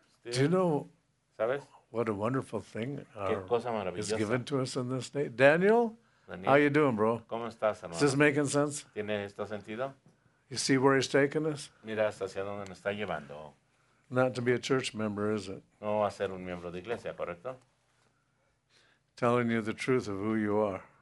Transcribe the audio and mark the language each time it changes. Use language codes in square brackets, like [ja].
[en] Do you know [es] ¿Sabes? [en] What a wonderful thing [es] ¿Qué cosa maravillosa? [en] Is given to us in this day? Daniel? How you doing, bro? [es] ¿Cómo estás, hermano? [en] Is this making sense? [es] ¿Tiene esto sentido? [en] You see where he's taking us? [es] Mira hacia dónde nos está llevando. [en] Not to be a church member, is it? [es] No a ser un miembro de iglesia, ¿correcto? [en] Telling you the truth of who you are.